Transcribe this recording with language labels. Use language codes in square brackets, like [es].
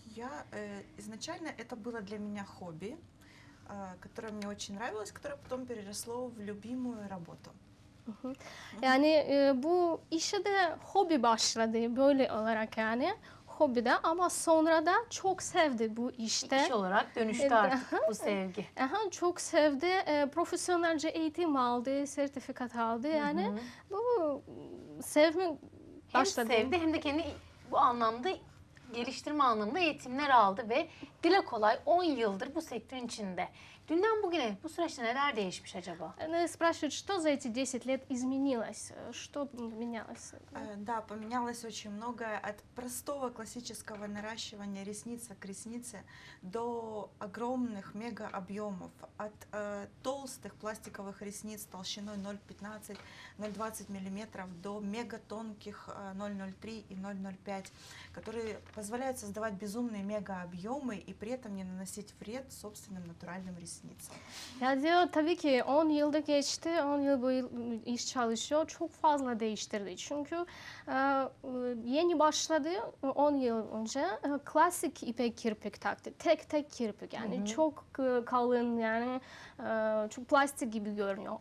[ru] Я изначально это было для меня хобби, которое мне очень нравилось, которое потом переросло в любимую работу. [tr] Yani bu işe de hobi başladı böyle olarak yani hobi de ama sonra da çok sevdi bu işte. İş olarak dönüştü artık bu sevgi. Aha, çok sevdi, profesyonelce eğitim aldı, sertifikat aldı yani bu sevme başladı. Hem sevdi hem de kendi bu anlamda geliştirme anlamında eğitimler aldı ve dile kolay 10 yıldır bu sektörün içinde. Dünden bugüne bu süreçte neler değişmiş acaba? [ru] Спрашивают, что за эти 10 лет изменилось? Что поменялось? Да, поменялось очень многое. От простого классического наращивания ресницы к реснице до огромных мегаобъемов. От толстых пластиковых ресниц толщиной 0,15-0,20 мм до мегатонких 0,03 и 0,05, которые позволяют создавать безумные мегаобъемы и при этом не наносить вред собственным натуральным ресницам. [tr] Ya diyor tabii ki 10 yılda geçti, 10 yıl bu iş çalışıyor, çok fazla değiştirdi. Çünkü yeni başladı 10 yıl önce, klasik ipek kirpik taktı, tek tek kirpik yani çok kalın yani çok plastik gibi görünüyor.